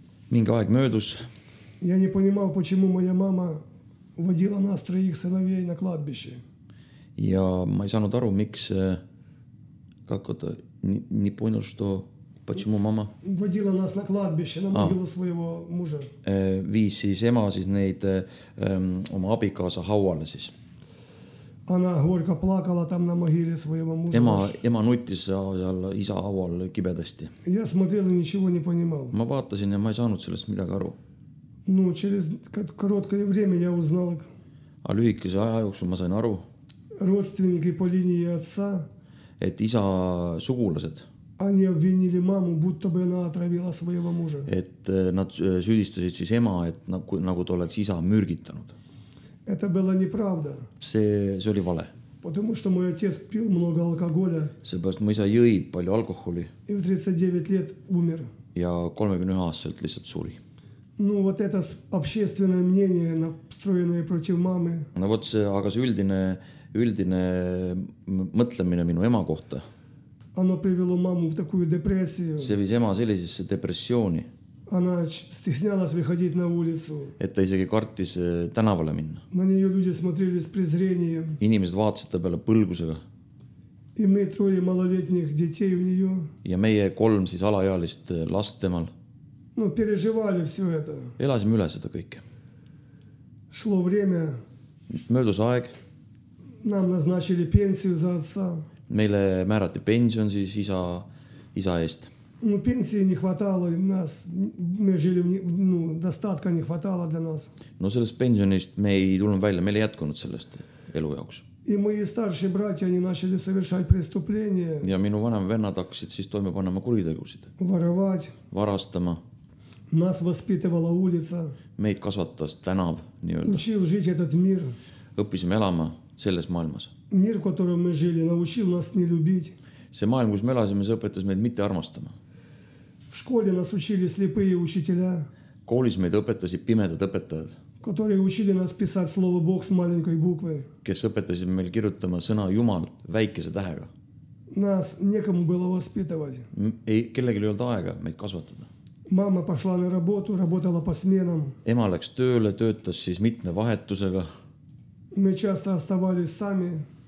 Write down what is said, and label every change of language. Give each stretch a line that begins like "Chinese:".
Estonian: Mingi aeg möödus.
Russian: Я не понимал, почему моя мама водила нас троих сыновей на кладбище.
Estonian: Ja ma ei saanud aru, miks...
Russian: Как-то не понял, что почему мама водила нас на кладбище, на могилу своего мужа.
Estonian: Viis siis ema siis neid oma abikaasa hauale siis.
Russian: Она горько плакала там на могиле своего мужа.
Estonian: Ema nuttis seal isa haual kibedasti.
Russian: Я смотрел и ничего не понимал.
Estonian: Ma vaatasin ja ma ei saanud sellest midagi aru.
Russian: Ну, через короткое время я узнал.
Estonian: А lühikese aja jooksul ma sain aru.
Russian: Родственники по линии отца.
Estonian: et isa sugulased.
Russian: Они обвинили маму, будто бы она отравила своего мужа. Это над
Estonian: süüdistasid siis ema, et nagu ta oleks isa mürgitanud.
Russian: Это было неправда.
Estonian: See oli vale.
Russian: Потому что мой отец пил много алкоголя.
Estonian: Seepärast mu isa jõi palju alkoholi.
Russian: И в 39 лет умер.
Estonian: Ja 39 aastaselt lihtsalt suri.
Russian: Ну вот это общественное мнение, настроенное против мамы.
Estonian: No
Russian: вот
Estonian: see, aga see üldine mõtlemine minu ema kohta.
Russian: Оно привело маму в такую депрессию.
Estonian: See viis ema sellisesse depressiooni.
Russian: Она стеснялась выходить на улицу.
Estonian: Et ta isegi kartis tänavale minna.
Russian: На нее люди смотрели с презрением.
Estonian: Inimesed vaatasid ta peale põlgusega.
Russian: И мы трое малолетних детей у нее.
Estonian: Ja meie kolm siis alajaalist last temal.
Russian: Ну, переживали все это.
Estonian: Elasime üle seda kõike.
Russian: Шло время.
Estonian: Möödus aeg.
Russian: Нам назначили пенсию за отца.
Estonian: Meile määrati pension siis isa eest.
Russian: Ну, пенсии не хватало нас. Мы жили, ну, достатка не хватало для нас.
Estonian: No, sellest pensionist me ei tulnud välja. Meil ei jätkunud sellest elu jaoks.
Russian: И мои старшие братья, они начали совершать преступления.
Estonian: Ja minu vanem vennad hakkasid siis toime panema kuritegusid.
Russian: Воровать.
Estonian: Varastama.
Russian: Нас воспитывала улица.
Estonian: Meid kasvatas tänav, nii-öelda.
Russian: Учил жить этот мир.
Estonian: Õppisime elama selles maailmas.
Russian: Мир, в котором мы жили, научил нас не любить.
Estonian: See maailm, kus me elasime, see õpetas meid mitte armastama.
Russian: В школе нас учили слепые учителя.
Estonian: Koolis meid õpetasid pimedad õpetajad.
Russian: Которые учили нас писать слово Бог с маленькой буквы.
Estonian: Kes õpetasid meil kirjutama sõna Jumal väikese tähega.
Russian: Нас некому было воспитывать.
Estonian: Ei, kellegil ei olnud aega meid kasvatada.
Russian: Мама пошла на работу, работала по сменам.
Estonian: Ema läks tööle, töötas siis mitme vahetusega. Me
Russian: часто оставались сами.